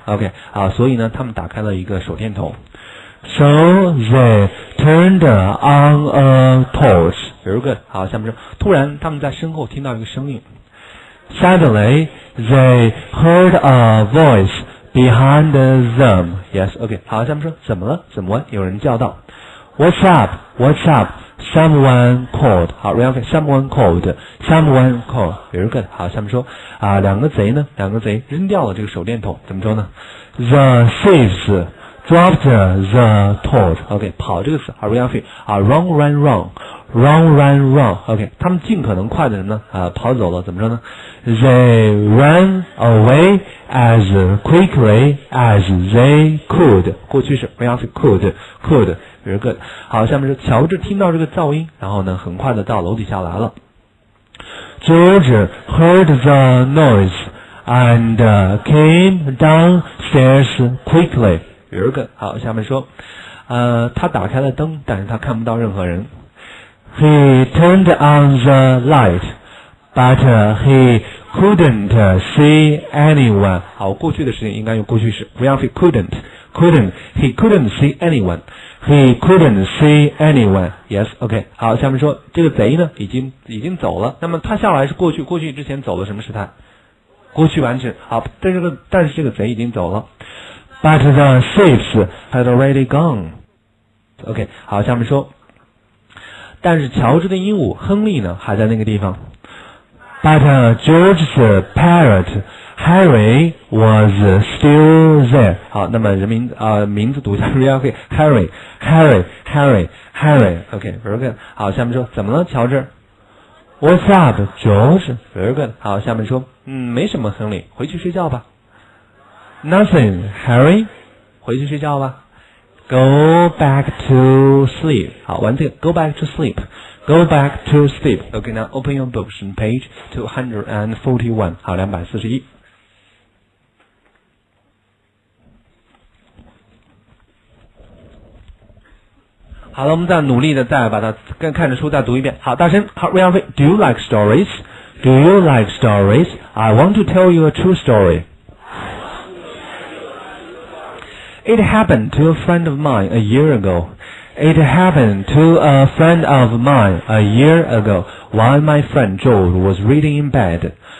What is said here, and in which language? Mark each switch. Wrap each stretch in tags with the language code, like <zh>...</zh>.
<zh>OK， 啊，所以呢，他们打开了一个手电筒。</zh> <en>So they turned on a torch. Very good.</en> <zh>好，下面说，突然他们在身后听到一个声音。</zh> <en>Suddenly they heard a voice behind them.</en> <zh>Yes. OK， 好，下面说，怎么了？怎么了？有人叫道。</zh> <en>What's up? What's up? Someone called. 好 ，OK. Someone called. Someone called. Very good.</en> <zh>好，下面说啊，两个贼呢？两个贼扔掉了这个手电筒，怎么说呢 ？</zh> <en>The thieves dropped the torch. OK.</en> <zh>跑这个词，</zh> <en>好 ，OK. 啊 ，run, run, run, run, run, run. OK.</en> <zh>他们尽可能快的呢啊，跑走了，怎么说呢 ？</zh> <en>They ran away as quickly as they could.</en> <zh>过去式</zh> <en>，OK. Could, could. Very good.</en> <zh>好，下面是乔治听到这个噪音，然后呢，很快的到楼底下来了。</zh> <en>George heard the noise and came downstairs quickly. Very good.</en> <zh>好，下面说，他打开了灯，但是他看不到任何人。</zh> <en>He turned on the light, but he couldn't see anyone.</en> <zh>好，过去的事情应该用过去式。不要</zh> <en>couldn't, couldn't. He couldn't see anyone. He couldn't see anyone. Yes, OK.</en> <zh>好，下面说这个贼呢已经走了。那么他下来是过去，过去之前走了什么时态？过去完成。好，但是这个贼已经走了。</zh> <en>But the thieves had already gone. OK.</en> <zh>好，下面说，但是乔治的鹦鹉亨利呢还在那个地方。</zh> <en>But George's parrot Harry was still there.</en> <zh>好，那么人名名字读一下 ，OK， Harry， Harry， Harry， Harry， OK， very good。好，下面说，怎么了，乔治</zh> <en>？What's up, George？ Very good。</en> <zh>好，下面说，没什么，亨利，回去睡觉吧。</zh> <en>Nothing, Harry。</en> <zh>回去睡觉吧。</zh> <en>Go back to sleep。</en> <zh>好，完这个</zh> <en>，Go back to sleep。 Go back to sleep. OK, now open your books on page 241.</en> <zh>好，241。好了，我们再努力的再把它看着书再读一遍。好，大声。好 ，Ralphie,</zh> <en>do you like stories? Do you like stories? I want to tell you a true story. It happened to a friend of mine a year ago. It happened to a friend of mine a year ago while my friend George was reading in bed.</en>